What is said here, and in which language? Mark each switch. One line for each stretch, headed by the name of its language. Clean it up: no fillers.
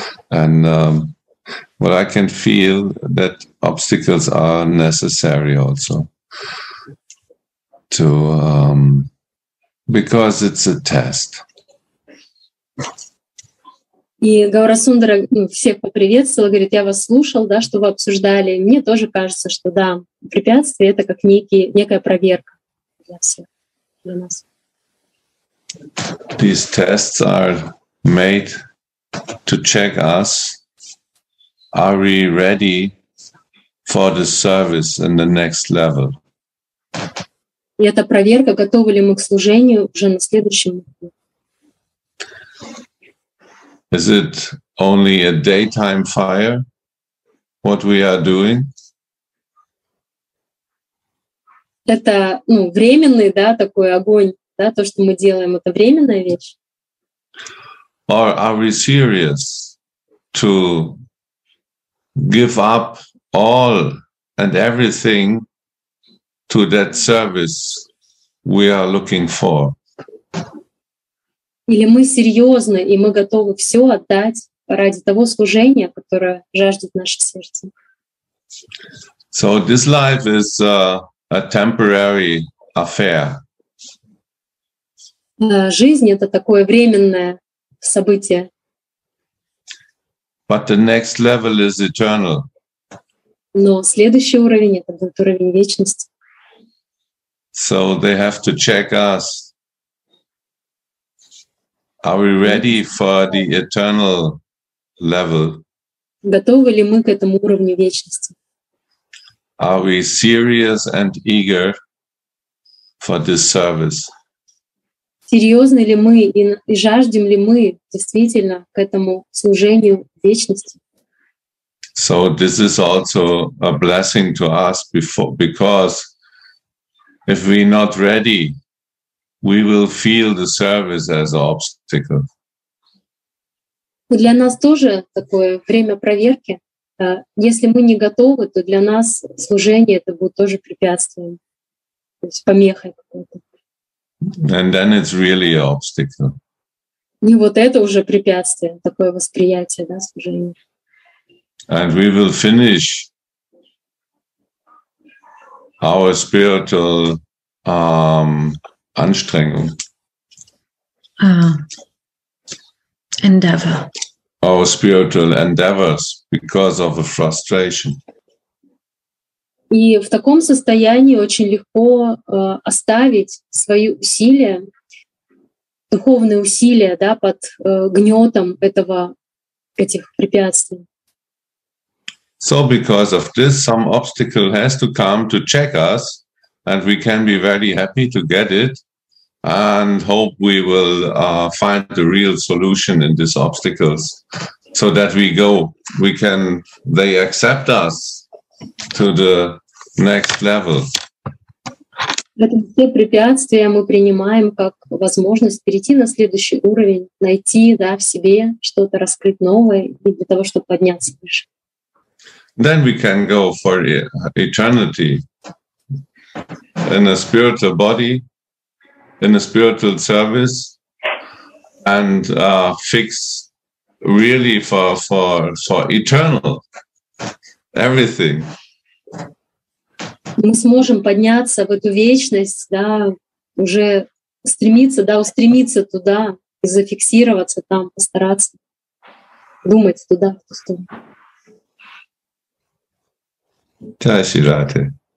English: And well, I can feel that obstacles are necessary also to because it's a test.
Russian: И Гаурасундара всех поприветствовал, говорит, я вас слушал, да, что вы обсуждали. Мне тоже кажется, что да, препятствие — это как некая проверка для всех, для нас.
English: These tests are made to check us. Are we ready for the service in the next level?
Russian: И эта проверка, готовы ли мы к служению уже на следующем уровне.
English: Is it only a daytime fire, what we are doing?
Russian: Это, ну, временный, да, такой огонь, да, то, что мы делаем, это временная вещь.
English: Or are we serious to give up all and everything to that service we are looking for?
Russian: Или мы серьезны, и мы готовы все отдать ради того служения, которое жаждет наше сердце.
English: So this life is a temporary affair.
Russian: Жизнь — это такое временное событие.
English: But the next level is eternal.
Russian: Но следующий уровень — это будет уровень вечности.
English: So they have to check us. Are we ready for the eternal level?
Russian: Готовы ли мы к этому уровню вечности?
English: Are we serious and eager for this service?
Russian: Серьезны ли мы и жаждем ли мы действительно к этому служению вечности?
English: So this is also a blessing to us before, because if we're not ready, we will feel the service as an obstacle.
Russian: Для нас тоже такое время проверки, если мы не готовы, то для нас служение это будет тоже препятствием, то есть помехой какой-то.
English: And then it's really an obstacle.
Russian: И вот это уже препятствие, такое восприятие, да, служения.
English: And we will finish our spiritual
German: anstrengung.
English: Endeavor. Our spiritual endeavors because of a frustration.
Russian: И в таком состоянии очень легко оставить свои усилия, духовные усилия, да, под гнетом этого, этих препятствий.
English: So because of this, some obstacle has to come to check us, and we can be very happy to get it, and hope we will find the real solution in these obstacles, so that we go, we can, they accept us to the next level.
Russian: Поэтому все препятствия мы принимаем как возможность перейти на следующий уровень, найти, да, в себе что-то, раскрыть новое и для того, чтобы подняться выше.
English: Then we can go for eternity in a spiritual body, in a spiritual service, and fix really for eternal everything.
Russian: Мы сможем подняться в эту вечность, да, уже стремиться, да, устремиться туда и зафиксироваться там, постараться думать туда, в ту сторону. Таси, Рати.